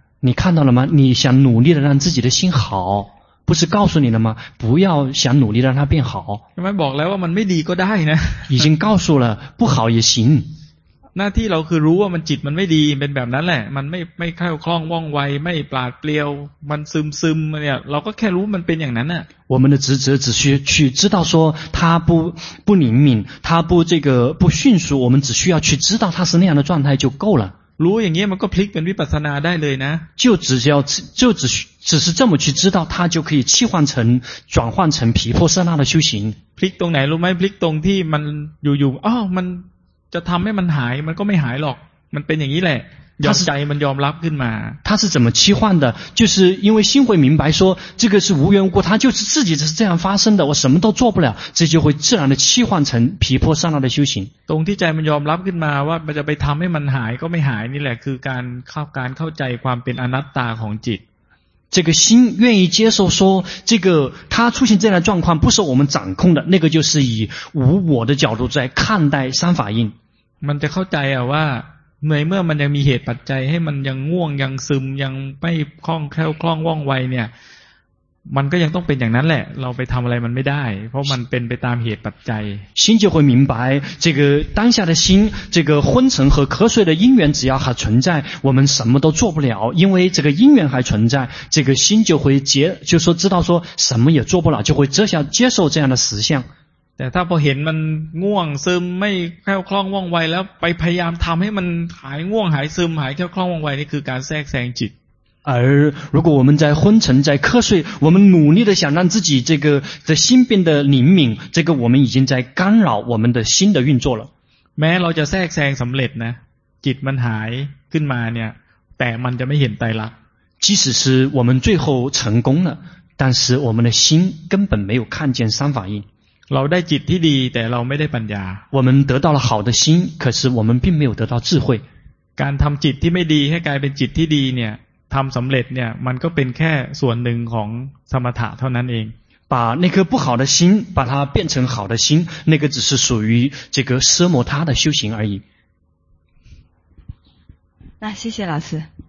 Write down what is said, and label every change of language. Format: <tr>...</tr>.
<zh>你看到了吗你想努力的让自己的心好不是告诉你了吗不要想努力让它变好</zh> <th>ไม่บอกแล้วว่ามันไม่ดีก็ได้นะ</th> <zh>已经告诉了不好也行</zh> <th>หน้าที่เราคือรู้ว่ามันจิตมันไม่ดีเป็นแบบนั้นแหละมันไม่คล่องคล่องว่องไวไม่ปราดเปรียวมันซึมเนี่ยเราก็แค่รู้มันเป็นอย่างนั้นน่ะ</th> <zh>我们的职责只需去知道说它不灵敏它不这个不迅速我们只需要去知道它是那样的状态就够了</zh> <th>รู้อย่างเงี้ยมันก็พลิกเป็นวิปัสสนาได้เลยนะ</th> <zh>就只是这么去知道它就可以切换成转换成毗婆舍那的修行</zh> <th>พลิกตรงไหนรู้ไหมพลิกตรงที่มันอยู่อ้อมันจะทำให้มันหายมันก็ไม่หายหรอกมันเป็นอย่างนี้แหละยอมใจมันยอมรับขึ้นมา</th> <zh>它是怎么切换的就是因为心会明白说这个是无缘无故它就是自己是这样发生的我什么都做不了这就会自然的切换成毗婆舍那的修行</zh> <th>ตรงที่ใจมันยอมรับขึ้นมาว่ามันจะไปทำให้มันหายก็ไม่หายนี่แหละคือการเข้าใจความเป็นอนัตตาของจิต</th> <zh>这个心愿意接受说这个它出现这样的状况不是我们掌控的那个就是以无我的角度在看待三法印</zh> <th>มันจะเข้าใจอ่ะว่าเมื่อมันยังมีเหตุปัจจัยให้มันยังง่วงยังซึมยังไม่คล่องแคล่วคล่องว่องไวเนี่ยมันก็ยังต้องเป็นอย่างนั้นแหละเราไปทำอะไรมันไม่ได้เพราะมันเป็นไปตามเหตุปัจจัย</th> <zh>心就会明白这个当下的心这个昏沉和瞌睡的因缘只要还存在我们什么都做不了因为这个因缘还存在这个心就会知道说什么也做不了就会接受这样的实相</zh> <th>แต่ถ้าพอเห็นมันง่วงซึมไม่แคล้วคล่องว่องไวแล้วไปพยายามทำให้มันหายง่วงหายซึมหายแคล้วคล่องว่องไวนี่คือการแทรกแซงจิต</th> <zh>而如果我们在昏沉在瞌睡我们努力的想让自己这个的心变得灵敏这个我们已经在干扰我们的心的运作了</zh> <th>แม้เราจะแทรกแซงสำเร็จนะจิตมันหายขึ้นมาเนี่ยแต่มันจะไม่เห็นไตรลักษณ์</th> <zh>即使是我们最后成功了但是我们的心根本没有看见三法印</zh> <th>เราได้จิตที่ดีแต่เราไม่ได้ปัญญา</th> <zh>我们得到了好的心可是我们并没有得到智慧</zh> <th>การทำจิตที่ไม่ดีให้กลายเป็นจิตที่ดีเนี่ยทำสำเร็จเนี่ยมันก็เป็นแค่ส่วนหนึ่งของสมถะเท่านั้นเอง</th> <zh>把那颗不好的心把它变成好的心那个只是属于这个奢摩他的修行而已那谢谢老师</zh>